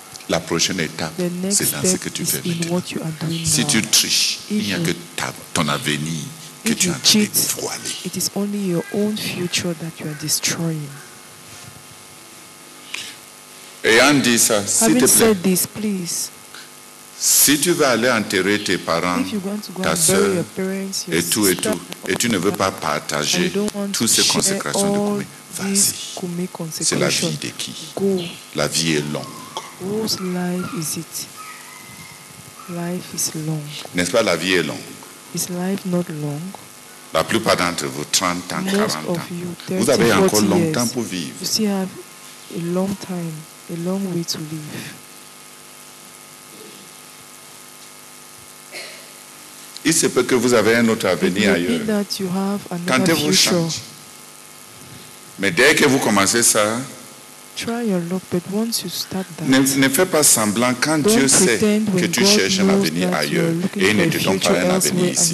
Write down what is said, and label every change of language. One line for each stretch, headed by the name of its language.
French: La prochaine étape, c'est dans ce que tu fais maintenant. Si tu triches, il n'y a que ton avenir.
English: If you cheat, it is only your own future that you are destroying.
French: Ayant dit ça,
English: having said this, please,
French: Si tu veux aller enterrer tes parents, ta sœur, et tout, et tu ne veux pas partager toutes ces consécrations de Koumé, vas-y. C'est la vie de qui?
English: Go.
French: La vie est longue.
English: Whose life is it? Life is long.
French: N'est-ce pas, la vie est longue?
English: Is life not long?
French: La plupart d'entre vous, 30 ans, 40 ans, vous avez encore longtemps pour vivre.
English: You still have a long time, a long way to live.
French: Il se peut que vous avez un autre avenir ailleurs. Quand vous changez. Mais dès que vous commencez ça,
English: try your luck, but once you start that,
French: ne fais pas semblant quand Dieu sait que tu cherches un avenir ailleurs et il ne te donne pas un avenir ici.